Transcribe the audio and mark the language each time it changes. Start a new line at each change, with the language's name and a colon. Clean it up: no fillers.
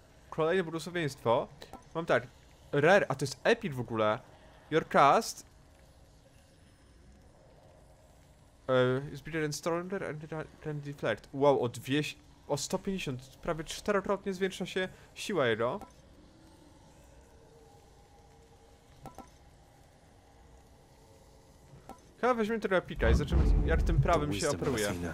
Polish: Kolejne błogosławieństwo. Mam tak. Rare, a to jest epic w ogóle.
English: Your cast is bigger and stronger and can deflect.
Polish: Wow, o 150, prawie czterokrotnie zwiększa się siła jego. Chyba weźmiemy tego epika i zobaczymy, jak tym prawym się operuje.